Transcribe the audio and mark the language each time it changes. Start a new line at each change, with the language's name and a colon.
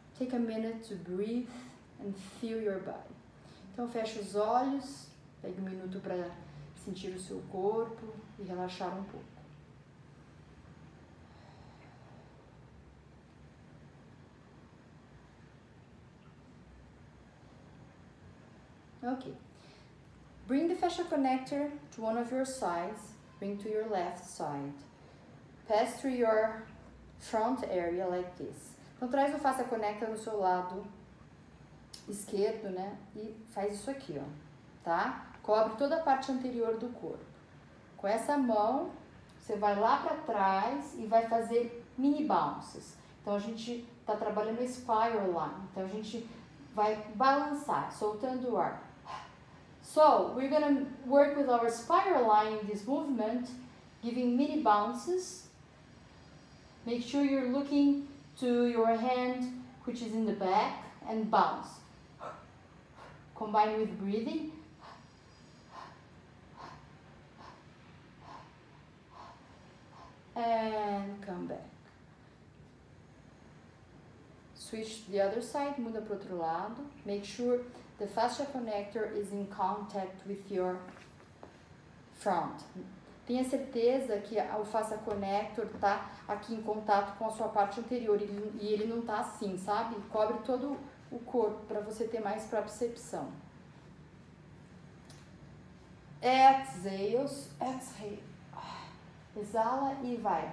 English: Take a minute to breathe and feel your body.
Portuguese: Então, feche os olhos. Pegue um minuto para sentir o seu corpo e relaxar um pouco. Ok.
English: Bring the fascia connector to one of your sides, bring to your left side. Pass through your front area like this.
Portuguese: Então traz o fascia connector no seu lado esquerdo, né? E faz isso aqui, ó, tá? Cobre toda a parte anterior do corpo. Com essa mão, você vai lá para trás e vai fazer mini bounces. Então a gente tá trabalhando a spiral line. Então a gente vai balançar, soltando o ar.
English: So, we're gonna work with our spiral line in this movement, giving mini bounces. Make sure you're looking to your hand, which is in the back, and bounce. Combine with breathing. And come back. Switch to the other side,
Portuguese: muda pro outro lado.
English: Make sure the fascia connector is in contact with your front.
Portuguese: Tenha certeza que o fascia connector tá aqui em contato com a sua parte anterior e ele não tá assim, sabe? Cobre todo o corpo para você ter mais propriocepção.
English: Exhale.
Portuguese: Exala e vai.